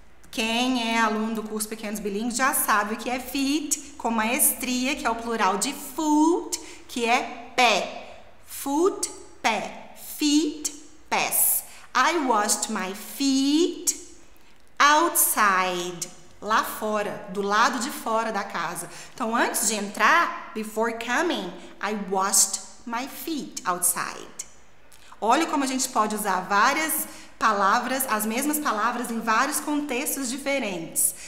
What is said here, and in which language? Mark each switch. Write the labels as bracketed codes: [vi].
[pt] Quem é aluno do curso Pequenos Bilíngues já sabe o que é feet, com maestria, que é o plural de foot, que é pé. Foot, pé. Feet, pés. [en] I washed my feet outside. [pt] Lá fora, do lado de fora da casa. Então, antes de entrar, [en] before coming, I washed my feet outside. [pt] Olha como a gente pode usar várias palavras, as mesmas palavras em vários contextos diferentes.